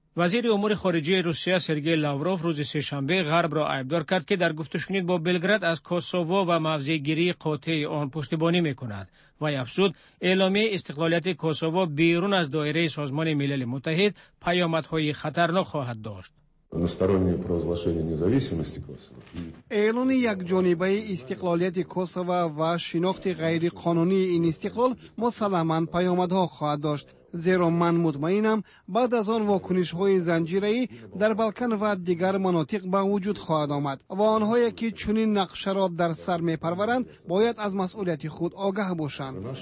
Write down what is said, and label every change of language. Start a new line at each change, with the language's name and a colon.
Persian: وزیر امور خارجه روسیه سرگئی لاوروف روز سه‌شنبه غرب را عیبدار کرد که در گفت‌وشنید با بلگراد از کوسوو و موضع‌گیری قاطع آن پشتیبانی می‌کند و افزود اعلامیه استقلالیت کوسوو بیرون از دایره سازمان ملل متحد پیامدهای خطرناک خواهد داشت.
Russian: одностороннее провозглашение независимости Косово.
Tajik: Эйлони як ҷонибаи истиқлолияти Косово ва шинохти ғайриқонунии ин истиқлол мусаламан паёмадҳо хоҳад дошт. Зеро ман мутмаинам, баъд аз он вокунишҳои занҷираи дар Балкан ва дигар манотиқ ба вуҷуд хоҳад омад. Ва онҳое, ки чунин нақшаро дар сар мепарваранд, бояд аз масъулияти худ огаҳ бошанд.